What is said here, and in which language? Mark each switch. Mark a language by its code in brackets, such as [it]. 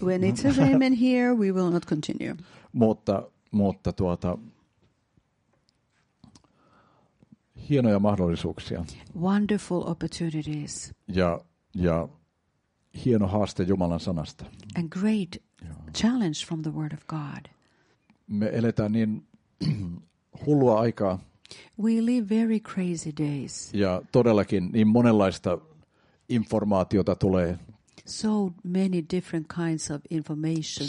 [en] When it says amen here, we will not continue. [fi] Mutta tuota, hienoja mahdollisuuksia. [en] Wonderful opportunities. [fi] Ja hieno haaste Jumalan sanasta. [en] And great challenge from the word of God. [fi] Me eletään niin hullua aikaa. [en] We live very crazy days. [fi] Ja todellakin niin monenlaista informaatiota tulee. [en] So many different kinds of information